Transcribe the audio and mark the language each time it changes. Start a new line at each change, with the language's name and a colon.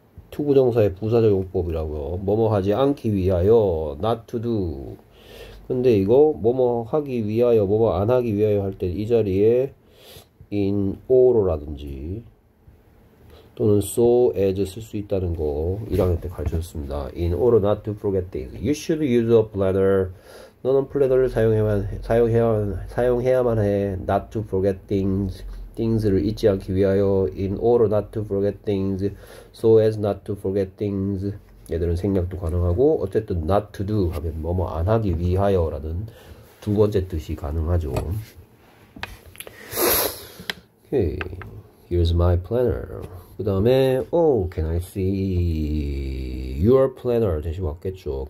Korean: 투부정사의 부사적용법이라고요. 뭐뭐 하지 않기 위하여 not to do. 근데 이거 뭐뭐 하기 위하여 뭐뭐 안 하기 위하여 할 때 이 자리에 in or라든지 또는 so as 쓸 수 있다는 거 1학년 때 가르쳤습니다.
English: In order not to forget things, you should use a planner.
Korean: 너는 플래너를 사용해야만 해.
English: Not to forget things, things를
Korean: 잊지 않기 위하여.
English: In order not to forget things, so as not to forget things.
Korean: 얘들은 생략도 가능하고 어쨌든 not to do 하면 뭐뭐 안 하기 위하여라는 두 번째 뜻이 가능하죠.
English: Here's my planner.
Korean: 그 다음에
English: Oh, can I see your planner?
Korean: 대신 왔겠죠.